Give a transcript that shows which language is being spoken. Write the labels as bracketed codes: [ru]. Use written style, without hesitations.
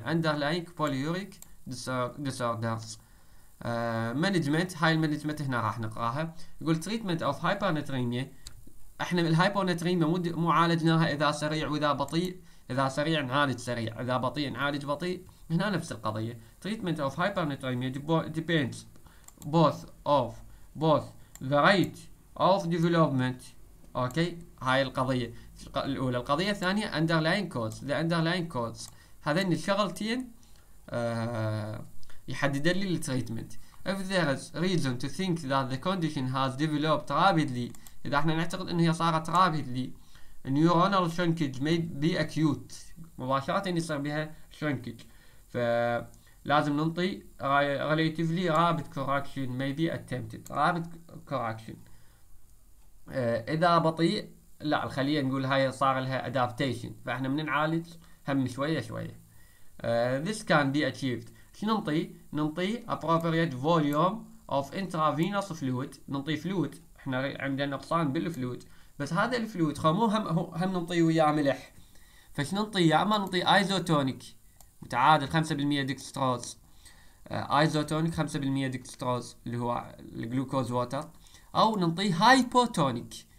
[en] underlying polyuric disorders management، [ar] هاي المانجمنت هنا راح نقراها. يقول [en] treatment of hypernatremia، [ar] احنا الهايبرناتريميا مو عالجناها اذا سريع واذا بطيء، اذا سريع نعالج سريع، اذا بطيء نعالج بطيء. هنا نفس القضيه، [en] treatment of hypernatremia depends both of both the rate of development. [ar] اوكي هاي القضيه الاولى. القضيه الثانيه [en] underlying cause، the underlying cause [ar] هذين الشغلتين يحدد لي التريتمنت. [en] if there is reason to think that the condition has developed rapidly، [ar] اذا احنا نعتقد انها صارت [en] rapidly neuronal shrinkage may be acute، [ar] مباشره يصير بها [en] shrinkage، [ar] فلازم ننطي [en] relatively rapid correction may be attempted. rapid correction [ar] اذا بطيء لا، الخليه نقول هاي صار لها adaptation، فاحنا من نعالج هم شويه شويه. [en] this can be achieved، [ar] شنو نعطي؟ نعطي [en] appropriate volume of intravenous fluid، [ar] نعطي فلويد، احنا عندنا نقصان بالفلويد، بس هذا الفلويد مو هم نعطيه وياه ملح، فشنو نعطي؟ يا اما نعطي ايزوتونيك متعادل 5% دكستروز، ايزوتونيك 5% دكستروز اللي هو الجلوكوز ووتر، او نعطي هايبوتونيك